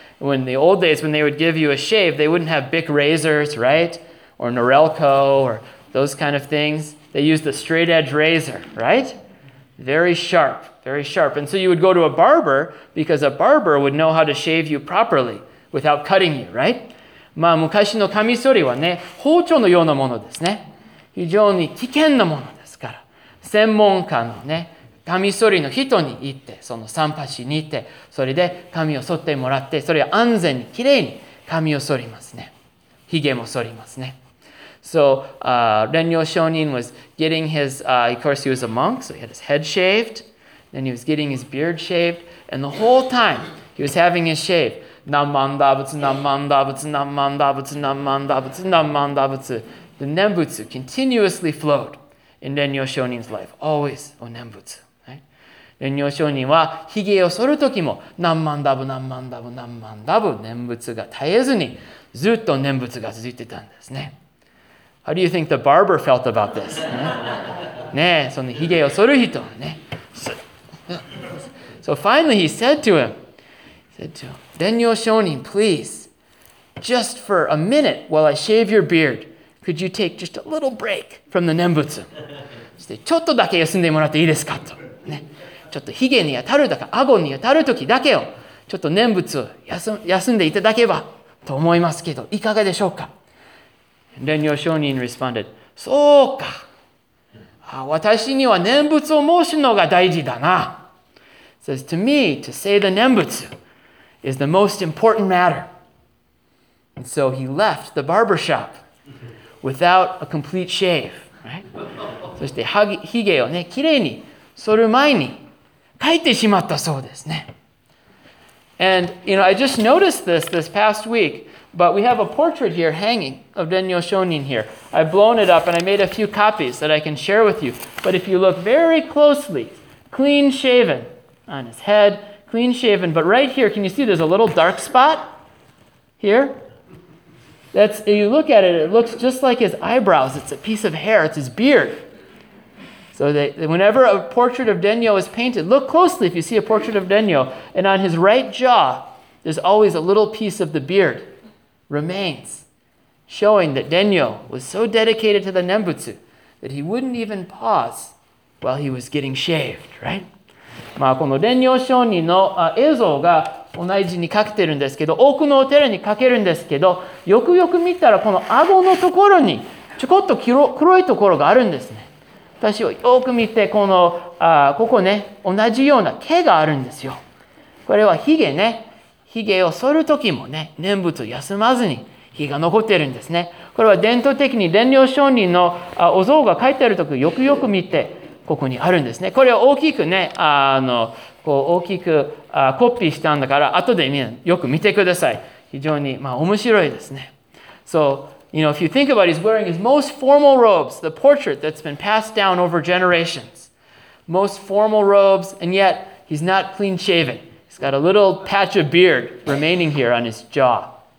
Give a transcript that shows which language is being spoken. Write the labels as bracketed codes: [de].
[en] When the old days, when they would give you a shave, they wouldn't have Bic razors, right? Or Norelco, or those kind of things. They used the straight edge razor, right? Very sharp, very sharp. And so you would go to a barber, because a barber would know how to shave you properly, without cutting you, right? [ja] まあ昔のカミソリはね、包丁のようなものですね。非常に危険なものですから。専門家のね、カミソリの人に行って、その散髪に行って、それで髪を剃ってもらって、それを安全に、きれいに髪を剃りますね。ヒゲも剃りますね。 [en] So, Renryo Shonin was getting his, of course he was a monk, so he had his head shaved, then he was getting his beard shaved, and the whole time he was having his shave, Nammandabutsu, Nammandabutsu, Nammandabutsu, Nammandabutsu, Nammandabutsu, the Nembutsu continuously flowed. In Renryo Shonin's life, always on Nembutsu. [ja] Renryo Shonin はヒゲを剃る時も何万ダブ何万ダブ何万ダブ念仏が絶えずにずっと念仏が続いてたんですね。 [en] How do you think the barber felt about this? [ja] ねえ、そのヒゲを剃る人はね。 [en] So finally he said to him, Renryo Shonin, please, just for a minute while I shave your beard,Could you take just a little break from the Nembutsu? [ja] ちょっとだけ休んでもらっていいですかと、ね、ちょっとヒゲに当たるとか顎に当たる時だけをちょっと念仏を 休んでいただければと思いますけどいかがでしょうか [en] Renryo Shonin responded, [ja] そうか私には念仏を申すのが大事だな [en] says, To me, to say the Nembutsu is the most important matter. And so he left the barber shop. Without a complete shave, right? [ja] そしてヒゲをね、きれいに剃る前に帰ってしまったそうですね。 [en] And, I just noticed this past week, but we have a portrait here hanging of Renryo Shonin here. I've blown it up and I made a few copies that I can share with you. But if you look very closely, clean shaven on his head, clean shaven, but right here, can you see there's a little dark spot here? That's, if you look at it, it looks just like his eyebrows. It's a piece of hair. It's his beard. So whenever a portrait of Renryo is painted, look closely if you see a portrait of Renryo, and on his right jaw, there's always a little piece of the beard remains, showing that Renryo was so dedicated to the Nembutsu that he wouldn't even pause while he was getting shaved, right? [ja] まあ、この Renryo Shonin の映像が同じに描けてるんですけど、多くのお寺に描けるんですけど、よくよく見たらこの顎のところにちょこっと黒いところがあるんですね。私をよく見て、この、ここね、同じような毛があるんですよ。これはヒゲね。ヒゲを剃るときもね、念仏を休まずに髭が残ってるんですね。これは伝統的に Renryo Shonin のお像が描いてあるとき、よくよく見て、ここにあるんですね。これは大きくね、こう大きくコピーしたんだから、後でよく見てください。非常に、面白いですね。So, [en] you know, if you think about it, he's wearing his most formal robes, the portrait that's been passed down over generations. Most formal robes, and yet he's not clean shaven. He's got a little patch of beard remaining here on his jaw.